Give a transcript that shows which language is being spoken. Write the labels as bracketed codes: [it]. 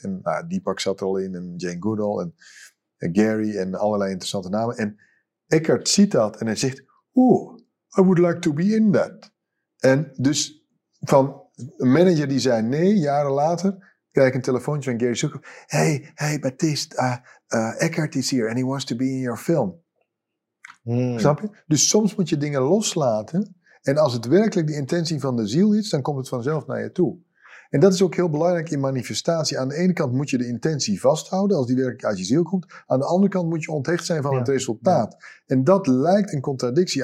[nl] En Deepak zat er al in, en Jane Goodall, en Gary, en allerlei interessante namen. En Eckhart ziet dat en hij zegt, [en] I would like to be in that. [nl] En dus van een manager die zei nee, jaren later, krijg ik een telefoontje van Gary Zukav. [en] Hey, Baptiste, Eckhart is here and he wants to be in your film. Hmm. [nl] Snap je? Dus soms moet je dingen loslaten En als het werkelijk de intentie van de ziel is, dan komt het vanzelf naar je toe. En dat is ook heel belangrijk in manifestatie. Aan de ene kant moet je de intentie vasthouden als die werkelijk uit je ziel komt. Aan de andere kant moet je onthecht zijn van het resultaat. Ja. En dat lijkt een contradictie.